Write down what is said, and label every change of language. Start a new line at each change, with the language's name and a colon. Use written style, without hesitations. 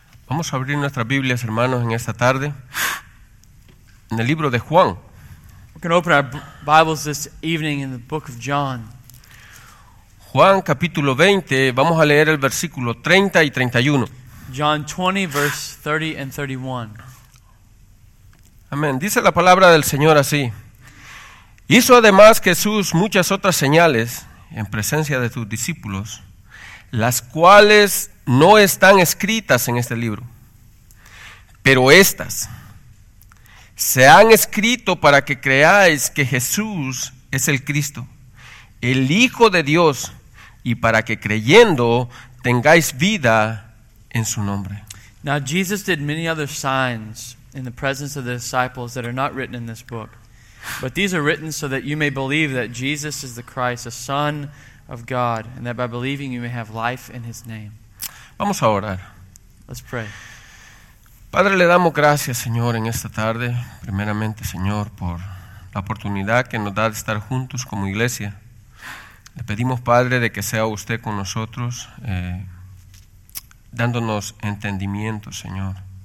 Spanish: Vamos a abrir nuestras Biblias, hermanos, en esta tarde, en el libro de Juan.
English: We're going to open our Bibles this evening in the book of John.
Spanish: Juan capítulo 20, vamos a leer el versículo 30 y 31.
English: John 20, verse 30 and 31. Amén.
Spanish: Dice la palabra del Señor así. Hizo además Jesús muchas otras señales en presencia de sus discípulos, las cuales no están escritas en este libro, pero estas se han escrito para que creáis que Jesús es el Cristo, el Hijo de Dios, y para que creyendo tengáis vida en su nombre.
English: Now Jesus did many other signs in the presence of the disciples that are not written in this book, but these are written so that you may believe that Jesus is the Christ, the Son of God, and that by believing you may have life in his name.
Spanish: Vamos a orar.
English: Let's pray.
Spanish: Padre, le damos gracias, Señor, en esta tarde. Primeramente, Señor, por la oportunidad que nos da de estar juntos como iglesia. Le pedimos, Padre, de que sea usted con nosotros, dándonos entendimiento, Señor.